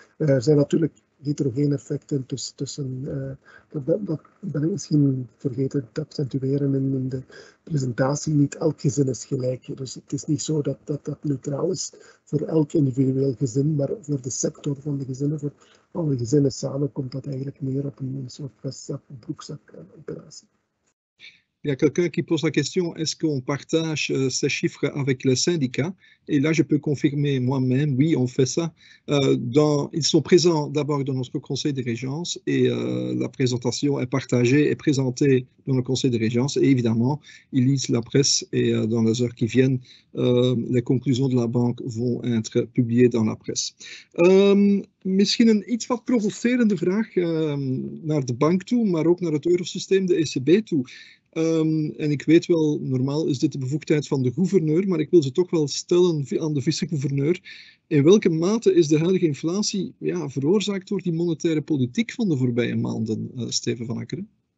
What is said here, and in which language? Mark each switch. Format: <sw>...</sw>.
<nl>Er zijn natuurlijk heterogene effecten tussen, dat ben ik misschien vergeten te accentueren in de presentatie, niet elk gezin is gelijk. Dus het is niet zo dat neutraal is voor elk individueel gezin, maar voor de sector van de gezinnen, voor alle gezinnen samen, komt dat eigenlijk meer op een soort vestzak, broekzak operatie.</nl> <fr>Il y a quelqu'un qui pose la question, est-ce qu'on partage ces chiffres avec les syndicats? Et là, je peux confirmer moi-même, oui, on fait ça. Ils sont présents d'abord dans notre conseil de régence et la présentation est partagée et présentée dans le conseil de régence. Et évidemment, ils lisent la presse et dans les heures qui viennent, les conclusions de la banque vont être publiées dans la presse.</fr> <nl>Misschien een iets wat provocerende vraag naar de bank toe, maar ook naar het eurosysteem, de ECB toe. En ik weet wel, normaal is dit de bevoegdheid van de gouverneur, maar ik wil ze toch wel stellen aan de vicegouverneur. In welke mate is de huidige inflatie veroorzaakt door die monetaire politiek van de voorbije maanden, Steven van Akkeren?</nl>